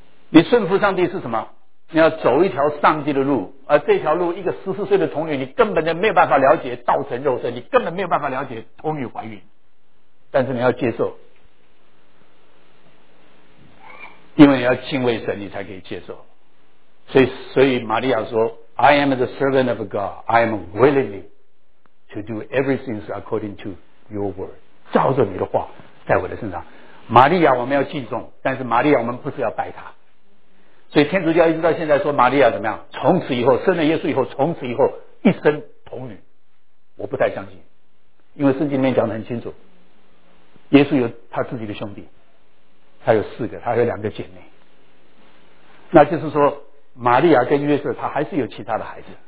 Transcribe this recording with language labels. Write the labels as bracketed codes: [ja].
[zh] 你顺服上帝是什么？你要走一条上帝的路，而这条路一个14岁的童女，你根本就没有办法了解道成肉身，你根本没有办法了解童女怀孕，但是你要接受，因为你要敬畏神，你才可以接受。 [en] 所以玛利亚说 I am the servant of God, I am willingly to do everything according to your word, 照着你的话在我的身上。 [zh] 玛利亚我们要敬重，但是玛利亚我们不是要拜她。所以天主教一直到现在说玛利亚怎么样，从此以后生了耶稣以后，从此以后一生童女，我不太相信，因为圣经里面讲得很清楚，耶稣有他自己的兄弟，他有四个，他有两个姐妹，那就是说玛利亚跟约瑟他还是有其他的孩子。